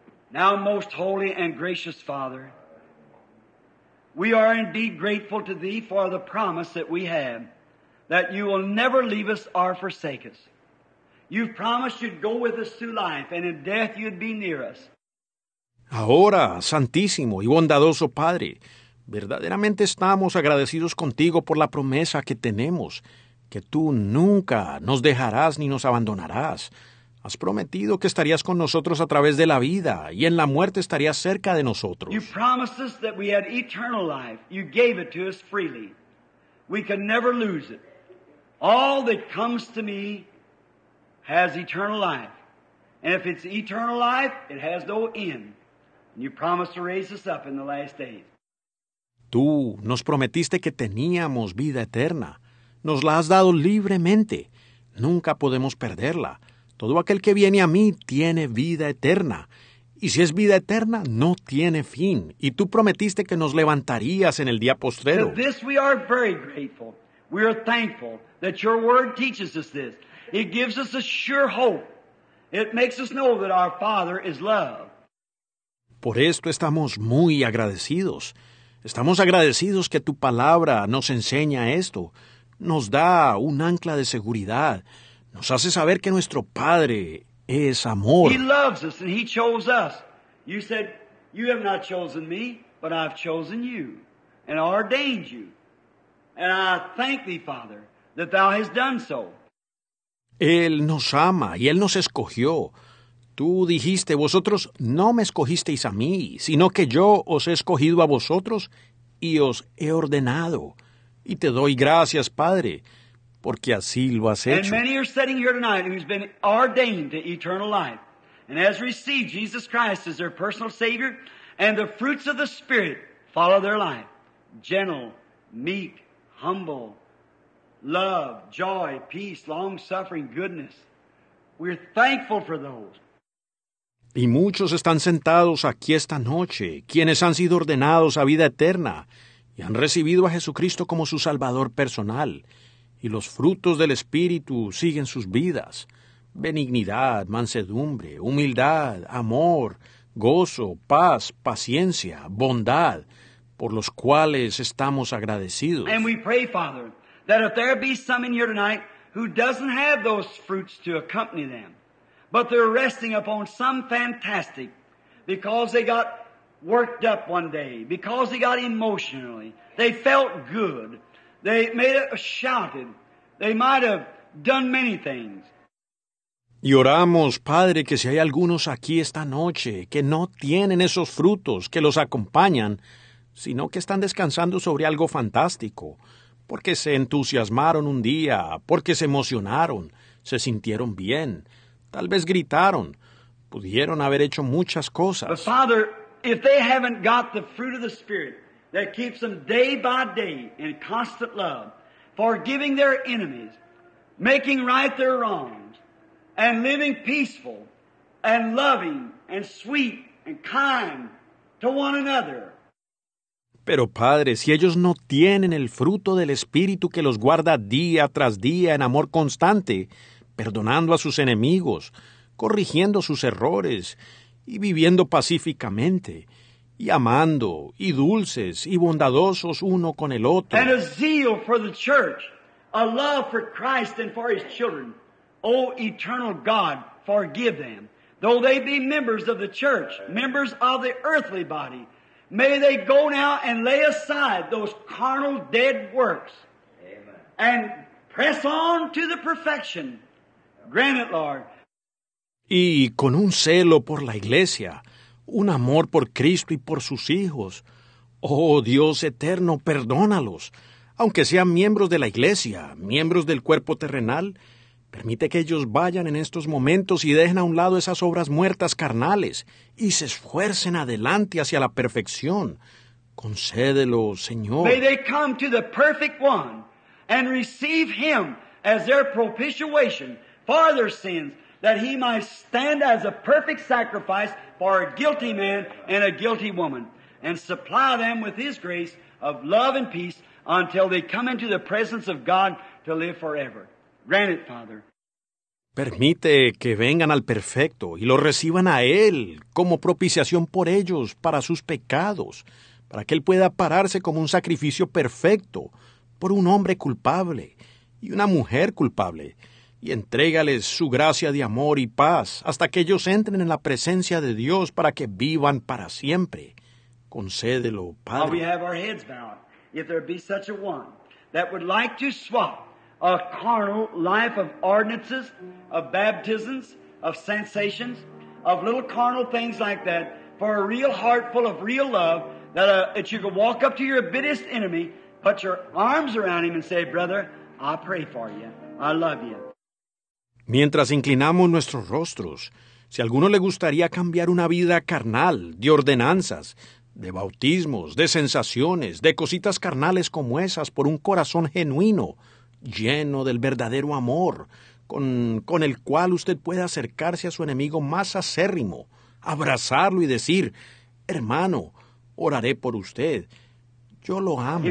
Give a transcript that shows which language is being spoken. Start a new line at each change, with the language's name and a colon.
English: Now, most holy and gracious Father, we are indeed grateful to Thee for the promise that we have, that You will never leave us or forsake us. You've promised You'd go with us through life, and in death You'd be near us.
Spanish: Ahora, Santísimo y bondadoso Padre, verdaderamente estamos agradecidos contigo por la promesa que tenemos, que tú nunca nos dejarás ni nos abandonarás. Has prometido que estarías con nosotros a través de la vida y en la muerte estarías cerca de nosotros.
English: You promised us that we had eternal life. You gave it to us freely. We can never lose it. All that comes to me has eternal life. And if it's eternal life, it has no end. And you promised to raise us up in the last days.
Spanish: Tú nos prometiste que teníamos vida eterna. Nos la has dado libremente. Nunca podemos perderla. Todo aquel que viene a mí tiene vida eterna. Y si es vida eterna, no tiene fin. Y tú prometiste que nos levantarías en el día postrero.
English: For this we are very grateful. We are thankful that your word teaches us this. It gives us a sure hope. It makes us know that our Father is love.
Spanish: Por esto estamos muy agradecidos. Estamos agradecidos que tu palabra nos enseña esto. Nos da un ancla de seguridad. Nos hace saber que nuestro Padre es amor.
English: He loves us and He chose us. You said, you have not chosen me, but I've chosen you and ordained you. And I thank thee, Father, that thou hast done so.
Spanish: Él nos ama y Él nos escogió. Tú dijiste, vosotros no me escogisteis a mí, sino que yo os he escogido a vosotros y os he ordenado. Y te doy gracias, Padre, porque así lo has hecho.
English: And many are sitting here tonight who's been ordained to eternal life and has received Jesus Christ as their personal Savior, and the fruits of the Spirit follow their life. Gentle, meek, humble, love, joy, peace, long-suffering, goodness. We're thankful for those.
Spanish: Y muchos están sentados aquí esta noche, quienes han sido ordenados a vida eterna y han recibido a Jesucristo como su Salvador personal. Y los frutos del Espíritu siguen sus vidas. Benignidad, mansedumbre, humildad, amor, gozo, paz, paciencia, bondad, por los cuales estamos agradecidos.
English: And we pray, Father, that if there be some in here tonight who doesn't have those fruits to accompany them, but they're resting upon some fantastic because they got worked up one day, because they got emotionally, they felt good, they made a shouted, they might have done many things.
Spanish: Y oramos, Padre, que si hay algunos aquí esta noche que no tienen esos frutos que los acompañan, sino que están descansando sobre algo fantástico, porque se entusiasmaron un día, porque se emocionaron, se sintieron bien, tal vez gritaron, pudieron haber hecho muchas cosas.
English: But Father, if they haven't got the fruit of the Spirit that keeps them day by day in constant love, forgiving their enemies, making right their wrongs, and living peaceful and loving and sweet and kind to one another.
Spanish: Pero, Padre, si ellos no tienen el fruto del Espíritu que los guarda día tras día en amor constante, perdonando a sus enemigos, corrigiendo sus errores y viviendo pacíficamente, y amando, y dulces, y bondadosos uno con el otro.
English: And a zeal for the church, a love for Christ and for His children. Oh, eternal God, forgive them. Though they be members of the church, members of the earthly body, may they go now and lay aside those carnal dead works. Amen. And press on to the perfection. Grant it, Lord.
Spanish: Y con un celo por la iglesia, un amor por Cristo y por sus hijos. Oh, Dios eterno, perdónalos. Aunque sean miembros de la iglesia, miembros del cuerpo terrenal, permite que ellos vayan en estos momentos y dejen a un lado esas obras muertas carnales y se esfuercen adelante hacia la perfección. Concédelo, Señor.
English: May they come to the perfect one and receive him as their propitiation for their sins, that he might stand as a perfect sacrifice for a guilty man and a guilty woman, and supply them with his grace of love and peace until they come into the presence of God to live forever. Grant it, Father.
Spanish: Permite que vengan al perfecto y lo reciban a él como propiciación por ellos para sus pecados, para que él pueda pararse como un sacrificio perfecto por un hombre culpable y una mujer culpable. Y entrégales su gracia de amor y paz hasta que ellos entren en la presencia de Dios para que vivan para siempre. Concédelo, Padre.
English: We have our heads bowed. If there be such a one that would like to swap a carnal life of ordinances, of baptisms, of sensations, of little carnal things like that, for a real heart full of real love, that you could walk up to your bitterest enemy, put your arms around him and say, brother, I pray for you, I love you.
Spanish: Mientras inclinamos nuestros rostros, si a alguno le gustaría cambiar una vida carnal, de ordenanzas, de bautismos, de sensaciones, de cositas carnales como esas, por un corazón genuino, lleno del verdadero amor, con el cual usted pueda acercarse a su enemigo más acérrimo, abrazarlo y decir, hermano, oraré por usted, yo lo amo.